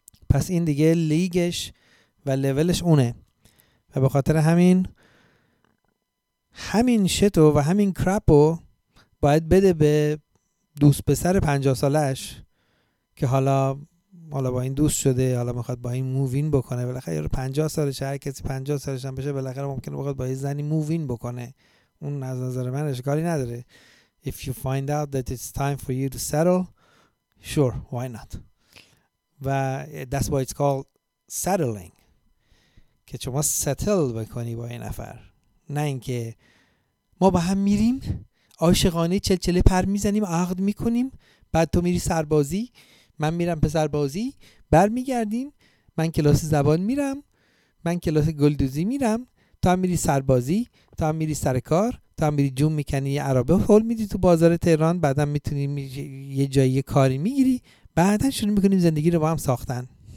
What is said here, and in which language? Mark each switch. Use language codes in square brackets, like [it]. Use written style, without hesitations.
[fa] پس این دیگه لیگش و لولش اونه و به خاطر همین شتو و همین کرپو باید بده به دوست پسر 50 سالش که حالا با این دوست شده، حالا میخواد با این مووین بکنه. بالاخره 50 سالش، هر کسی 50 سالش هم بشه بالاخره ممکنه بخواد با این زنی مووین بکنه، اون از نظر من اشکالی نداره. [en] If you find out that it's time for you to settle, sure, why not? و that's why it's called settling. [fa] که شما settle بکنی با این نفر، نه اینکه ما با هم میریم عاشقانه چلچله پر میزنیم، عقد میکنیم، بعد تو میری سربازی، من میرم پسربازی، بر میگردیم، من کلاس زبان میرم، من کلاس گلدوزی میرم، تو هم میری سربازی، تو هم میری سرکار، تو هم میری جون میکنی یه عربه حول میدی تو بازار تهران، بعدا میتونی یه جایی کاری میگیری، بعدا شروع میکنیم زندگی رو با هم ساختن.